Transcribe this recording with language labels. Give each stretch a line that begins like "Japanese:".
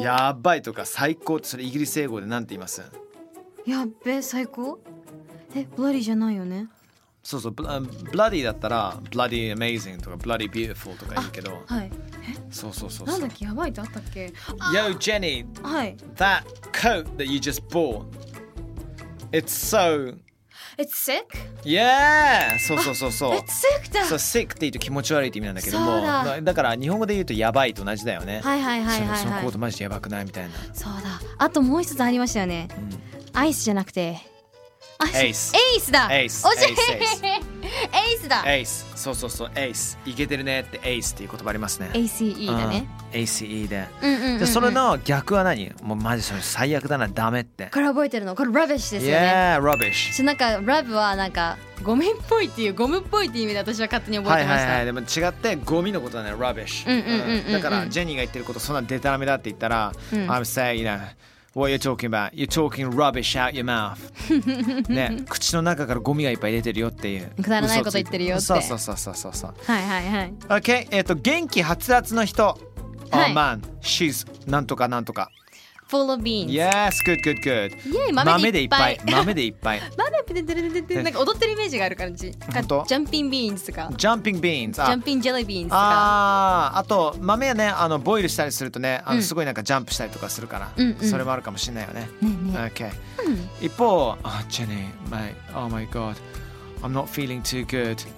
Japanese: やばいとか最高ってそれイギリス英語でなんて言いますやっべ最高え、ブラディじゃないよね。そうそう、ブラディだったらブラディアメイジングとかブラディビューティフルとか言うけど。はい。そうそうそう。なんだっけ、やばいってあったっけ。
English: Yo Jenny。
Japanese: はい。
English: That coat that you just bought, it's so. It's sick. Yeah。
Japanese: そうそうそうそう。
English: It's sick だ。 So sick
Japanese: って言うと気持ち悪いって意味なんだけども。 そうだ。だから日本語で言うとやばいと同じだよね。はいはいはいはい、はい、そのコートマジでやばくないみたいな。そうだ。あともう一つありましたよね。うん、アイスじゃなくて。エースエースだエースエースエースだエースそうそうそうエースイケてるねってエースっていう言葉ありますね ACE だね、うん、 ACE で、うんうんうん、でそれの逆は何もうマジそれ最悪だなダメってこれ覚えてるのこれ rubbish ですよね
English: yeah rubbish
Japanese: なんか rub はなんかゴミっぽいっていうゴムっぽいっていう意味で私は勝手に覚えてましたはいはいはいでも違ってゴミのことだね rubbish だからジェニーが言ってることそんなデタラメだって言ったら、うん、
English: I'm saying you knowWhat are you talking about? You're talking rubbish out your mouth.
Japanese: ね、口の中からゴミがいっぱい出てるよっていう。くだらないこと言ってるよって。そうそうそうそうそう。はいはいはい。 Okay, 元気はつらつの人。はい、
English: oh man, she's
Japanese: なんとかなんとか。
English: Full of beans. Yes, good, good, good.
Japanese: Yay, 豆でいっぱい。豆でいっぱい。豆ってでででででなんか踊ってるイメージがある感じ。本当？
English: Jumping beans とか。 Jumping beans. Jumping jelly beans とか。
Japanese: あと豆はね、ボイルしたりするとね、すごいなんかジャンプしたりとかするから、うん、それもあるかもしれないよね。ねね。 Okay.、うん、一方、
English: Jenny, mate, oh my God, I'm not feeling too good.